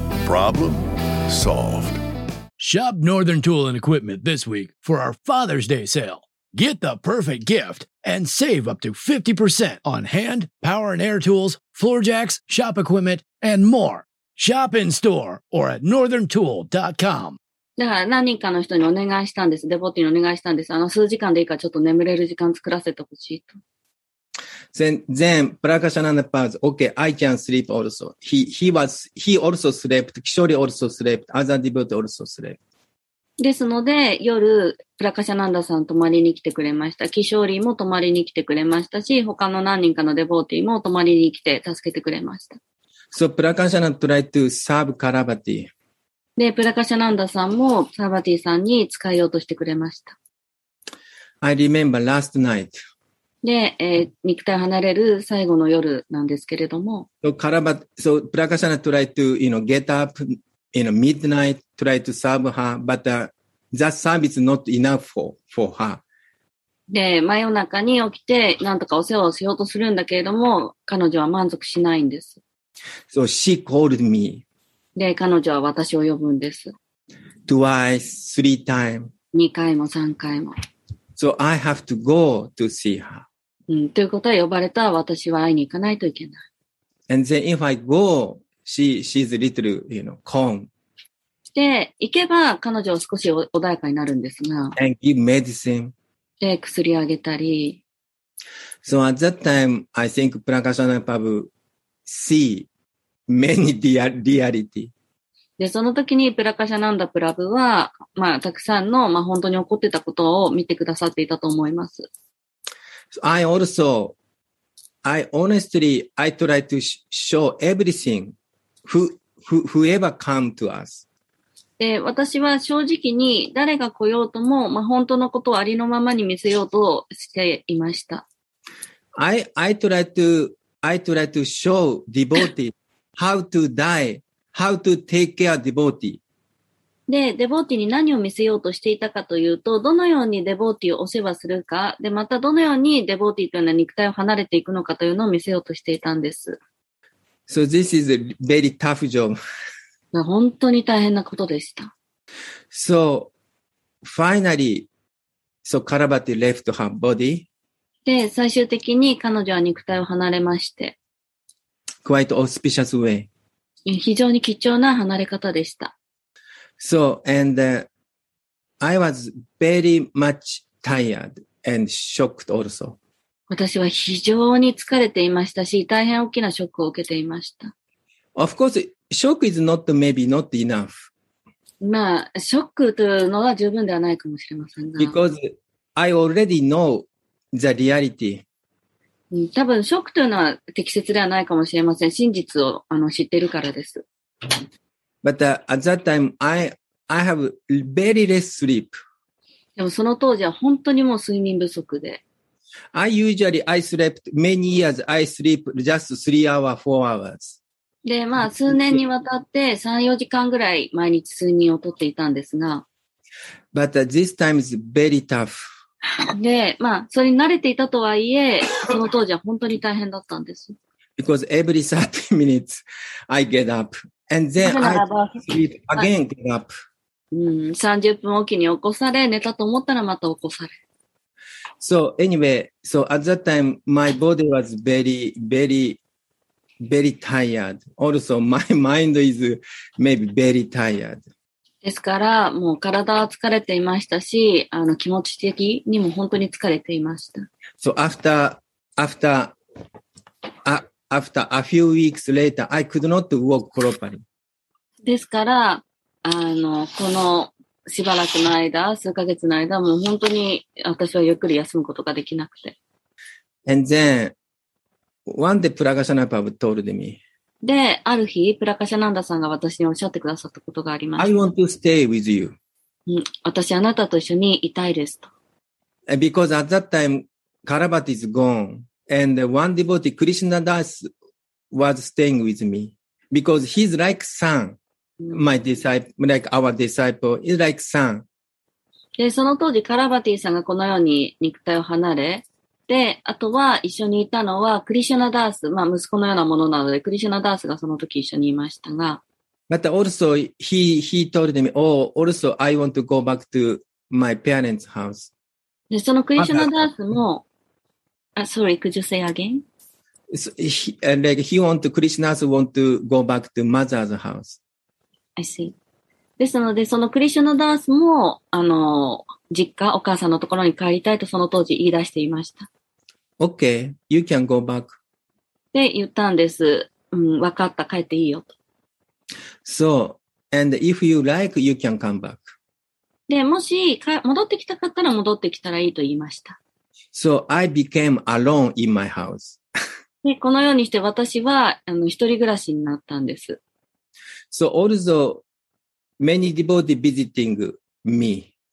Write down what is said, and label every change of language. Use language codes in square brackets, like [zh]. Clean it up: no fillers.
[en] Problem solved. Shop Northern Tool and Equipment this week for our Father's Day sale. Get the perfect gift and save up to 50% on hand, power and air tools, floor jacks, shop equipment, and more. Shop in-store or at northerntool.com. [ja] だから何人かの人にお願いしたんです。デボティにお願いしたんです。あの数時間でいいからちょっと眠れる時間作らせてほしいと。 [en] Then Prakashananda Pals, okay, I can sleep also. He also slept, Kishori also slept, other devotee also slept. [ja] ですので、夜、プラカシャナンダさん泊まりに来てくれました。キショーリーも泊まりに来てくれましたし、他の何人かのデボーティーも泊まりに来て助けてくれました。 [en] So Prakashananda tried to serve Karabati. [ja] で、プラカシャナンダさんもサーバティさんに使いようとしてくれました。 [en] I remember last night. [ja] で、肉体を離れる最後の夜なんですけれども。 [en] So Karabati, so Prakashananda tried to, you know, get up. In a midnight, try to serve her, but that service is not enough for her. [ja] で、真夜中に起きて、なんとかお世話をしようとするんだけれども、彼女は満足しないんです。 [en] So she called me. [ja] で、彼女は私を呼ぶんです。 [en] Twice, three times. [ja] 2回も3回も。 [en] So I have to go to see her. [ja] うん、ということは呼ばれた私は会いに行かないといけない。 [en] And then if I go,She's a little, you know, calm. [ja] で、行けば彼女は少し穏やかになるんですが。 [en] And give medicine. [ja] で、薬をあげたり。 [en] So at that time, I think Prakashananda Prabhu see many reality. [ja] で、その時にプラカシャナンダプラブは、まあ、たくさんの、まあ、本当に起こってたことを見てくださっていたと思います。 [en] So、I honestly try to show everything. Whoever come to us. [ja] で、私は正直に誰が来ようとも、まあ、本当のことをありのままに見せようとしていました。 [en] I try to show devotee how to die, how to take care devotee. [ja] で、デボーティに何を見せようとしていたかというと、どのようにデボーティをお世話するか、で、またどのようにデボーティというような肉体を離れていくのかというのを見せようとしていたんです。 [en] So this is a very tough job. [ja] 本当に大変なことでした。 [en] So finally, so Karabati left her body. [ja] で、最終的に彼女は肉体を離れまして。 [en] Quite auspicious way. [ja] 非常に貴重な離れ方でした。 [en] So, and、I was very much tired and shocked also. [ja] 私は非常に疲れていましたし、大変大きなショックを受けていました。 [en] Of course, shock is not maybe not enough. [ja] まあ、ショックというのは十分ではないかもしれませんが。 [en] Because I already know the reality. [ja] 多分、ショックというのは適切ではないかもしれません。真実を知っているからです。 [en] But at that time, I have very less sleep. [ja] でも、その当時は本当にもう睡眠不足で。 [en] I slept many years. I sleep just 3 hours, 4 hours. [ja] で、まあ数年にわたって3、4時間ぐらい毎日睡眠をとっていたんですが。 [en] But this time is very tough. [ja] で、まあそれに慣れていたとはいえ、その当時は本当に大変だったんです。 [en] Because every 30 minutes I get up and then I sleep again. Get up. [ja] 30分おきに起こされ、寝たと思ったらまた起こされ。 [en] So anyway, so at that time, my body was very, very, very tired. Also, my mind is maybe very tired. [ja] ですから、もう体は疲れていましたし、気持ち的にも本当に疲れていました。 [en] So after a few weeks later, I could not walk properly. [ja] ですから、この、しばらくの間、数ヶ月の間、もう本当に私はゆっくり休むことができなくて。 [en] And then, one day, Prakashananda Prabhu told me. [ja] で、ある日、プラカシャナンダさんが私におっしゃってくださったことがありました。 [en] I want to stay with you. [ja] 私あなたと一緒にいたいですと。 [en] Because at that time, Karabati is gone, and one devotee, Krishna Das, was staying with me. Because he's like son, my disciple, like our disciple, he's like son. [ja] で、その当時、カラバティさんがこのように肉体を離れ、で、あとは一緒にいたのは、クリシュナダース、まあ、息子のようなものなので、クリシュナダースがその時一緒にいましたが。また、 [en] also, he told me, oh, also, I want to go back to my parents' house. [ja] で、そのクリシュナダースも、あ、 [en] sorry, could you say again? So, he, like, he want to, クリシュナダース want to go back to mother's house. I see. [ja] ですので、そのクリシュナダースも、実家、お母さんのところに帰りたいとその当時言い出していました。 [en] Okay, you can go back. [ja] って言ったんです。うん、わかった、帰っていいよと。 [en] So, and if you like, you can come back. [ja] で、もし、戻ってきたかったら戻ってきたらいいと言いました。 [en] So, I became alone in my house. [ja] で、このようにして私は、一人暮らしになったんです。 [en] So, also,Many devotees visiting me.